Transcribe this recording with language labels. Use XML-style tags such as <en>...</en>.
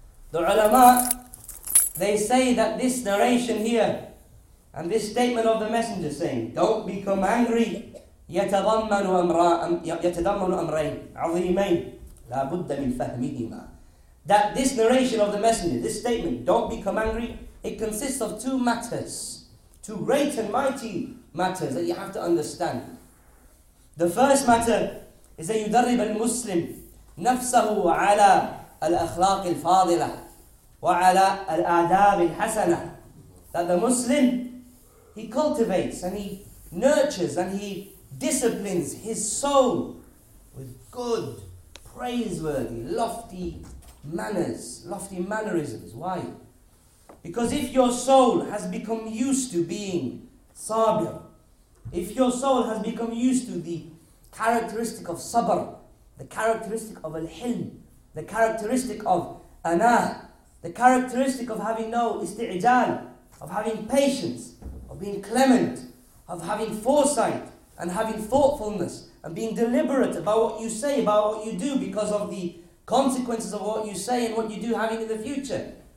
<en>The ulama, they say that this narration here and this statement of the Messenger saying, don't become angry,</en> <ar>يتضمن أمرين عظيمين لا بد من فهمهما.</ar> <en>That this narration of the Messenger, this statement, don't become angry, it consists of two matters, two great and mighty matters that you have to understand. The first matter is that</en> <ar>يدرب المسلم نفسه على الأخلاق الفاضلة وعلى الآداب الحسنة.</ar> <en>That the Muslim, he cultivates and he nurtures and he disciplines his soul with good, praiseworthy, lofty manners, lofty mannerisms. Why? Because if your soul has become used to being sabir, if your soul has become used to the characteristic of sabr, the characteristic of al-hilm, the characteristic of anah, the characteristic of having no isti'jal, of having patience, of being clement, of having foresight, and having thoughtfulness, and being deliberate about what you say, about what you do, because of the consequences of what you say and what you do having in the future.</en>